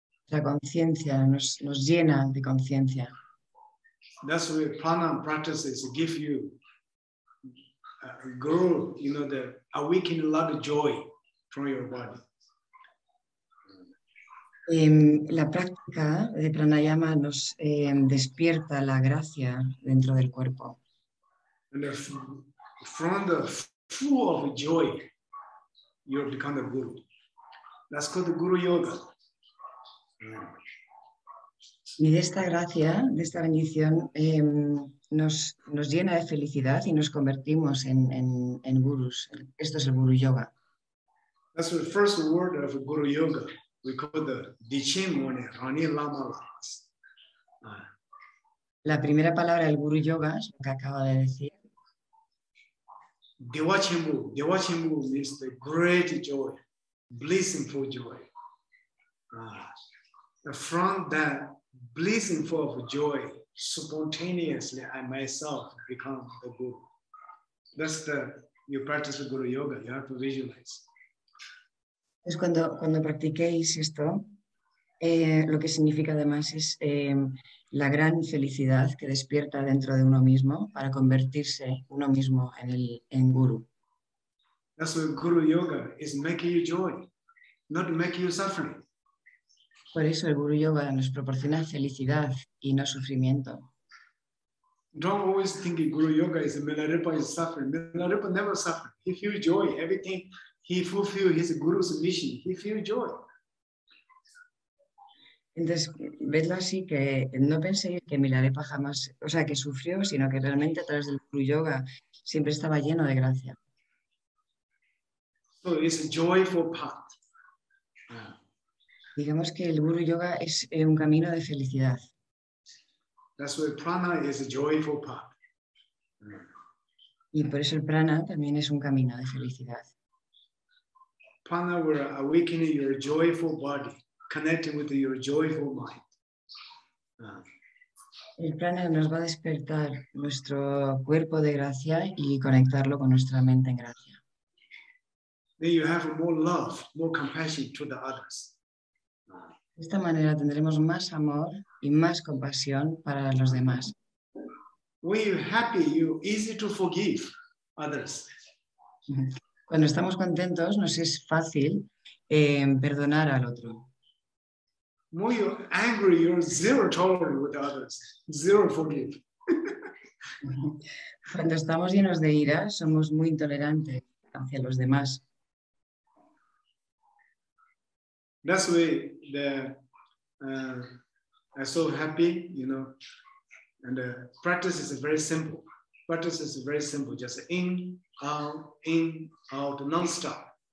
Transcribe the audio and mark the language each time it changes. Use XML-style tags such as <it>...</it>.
<es>La conciencia nos llena de conciencia.</es> <en>That's where pranayama practices give you grow, you know, the awakened love joy from your body.</en> <es>La práctica de pranayama nos despierta la gracia dentro del cuerpo.</es> <en>And from the full of joy, you become the guru. That's called the guru yoga.</en> <es>Y de esta gracia, de esta bendición, nos llena de felicidad y nos convertimos en gurus. Esto es el guru yoga.</es> <en>That's the first word of guru yoga. We call the Dichimone, Rani Lama.</en> <es>La primera palabra del Guru Yoga es lo que acaba de decir.</es> <en>Devachimbu means the great joy, blissful joy. From that blissful of joy, spontaneously I myself become the Guru. That's the, you practice Guru Yoga, you have to visualize.</en> <es>Es cuando practiquéis esto, lo que significa además es la gran felicidad que despierta dentro de uno mismo para convertirse uno mismo en guru.</es> <en>That's what guru yoga is, making you joy, not making you suffering.</en> <es>Por eso el guru yoga nos proporciona felicidad y no sufrimiento.</es> <en>Don't always think guru yoga is Milarepa is suffering. Milarepa never suffers. He feels joy, everything. He fulfilled his guru's mission. He feels joy.</en> <es>Entonces, vedlo así, que no penséis que Milarepa jamás, o sea, que sufrió, sino que realmente a través del guru yoga siempre estaba lleno de gracia.</es> <en>So it's a joyful path.</en> <es>Digamos que el guru yoga es un camino de felicidad.</es> <en>That's why prana is a joyful path.</en> <es>Y por eso el prana también es un camino de felicidad.</es> <en>Prana will awaken your joyful body, connecting with your joyful mind.</en> <es>El prana nos va a despertar nuestro cuerpo de gracia y conectarlo con nuestra mente en gracia.</es> <en>Then you have more love, more compassion to the others.</en> <es>De esta manera tendremos más amor y más compasión para los demás.</es> <en>When you're happy, you're easy to forgive others.</en> <es>Cuando estamos contentos, nos es fácil perdonar al otro.</es> <en>When you're angry, you're zero tolerance with others. Zero forgive.</en> <es>Cuando estamos llenos de ira, somos muy intolerantes hacia los demás.</es> <en>That's why I'm so happy, you know. And the practice is very simple. Practice is very simple, just in, out, non-stop.</en>